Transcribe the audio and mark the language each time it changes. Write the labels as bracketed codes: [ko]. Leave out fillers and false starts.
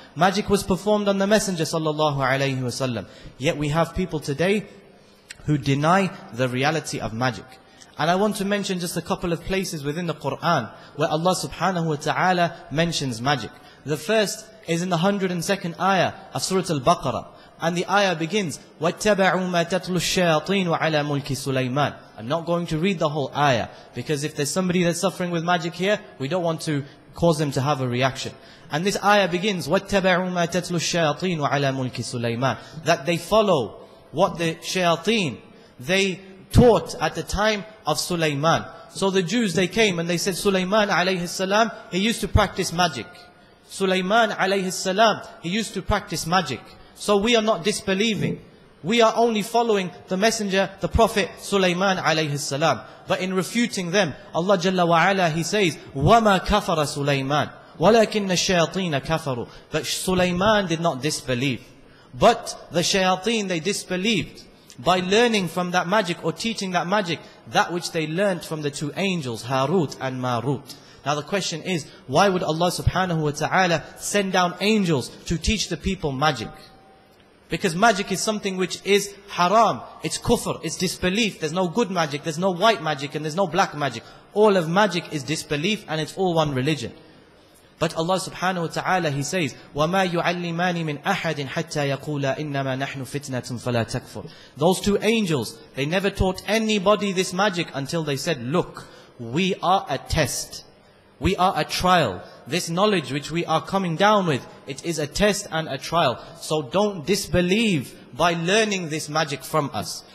[en] Magic was performed on the Messenger sallallahu alayhi wasallam. Yet we have people today who deny the reality of magic. And I want to mention just a couple of places within the Quran where Allah subhanahu wa ta'ala mentions magic. The first is in the 102nd ayah of Surah Al-Baqarah. And the ayah begins, [ar] وَاتَّبَعُوا مَا تَتْلُ الشَّيَاطِينُ وَعَلَى مُلْكِ سُلَيْمَانِ. [en] I'm not going to read the whole ayah because if there's somebody that's suffering with magic here, we don't want to cause them to have a reaction. And this ayah begins, [ar] وَاتَّبَعُوا مَا تَتْلُ الشَّيَاطِينُ وَعَلَى مُلْكِ سُلَيْمَانِ. [en] That they follow what the shayateen, they taught at the time of Sulaiman. So the Jews, they came and they said, Sulaiman alayhi salam, he used to practice magic. Sulaiman alayhi salam, he used to practice magic. So we are not disbelieving. We are only following the messenger, the prophet Sulaiman alayhi salam. But in refuting them, Allah jalla wa ala, he says, [ar] وَمَا كَفَرَ سُلَيْمَانِ وَلَكِنَّ الشَّيَاطِينَ كَفَرُوا. [en] But Sulaiman did not disbelieve. But the shayateen, they disbelieved. By learning from that magic or teaching that magic, that which they learned from the two angels, Harut and Marut. Now the question is, why would Allah subhanahu wa ta'ala send down angels to teach the people magic? Because magic is something which is haram, it's kufr, it's disbelief. There's no good magic, there's no white magic, and there's no black magic. All of magic is disbelief and it's all one religion. But Allah subhanahu wa ta'ala, he says, [ar] وَمَا يُعَلِّمَانِ مِنْ أَحَدٍ حَتَّى يَقُولَ إِنَّمَا نَحْنُ فِتْنَةٌ فَلَا تَكْفُرُ. [en] Those two angels, they never taught anybody this magic until they said, look, we are a test. We are a trial. This knowledge which we are coming down with, it is a test and a trial. So don't disbelieve by learning this magic from us.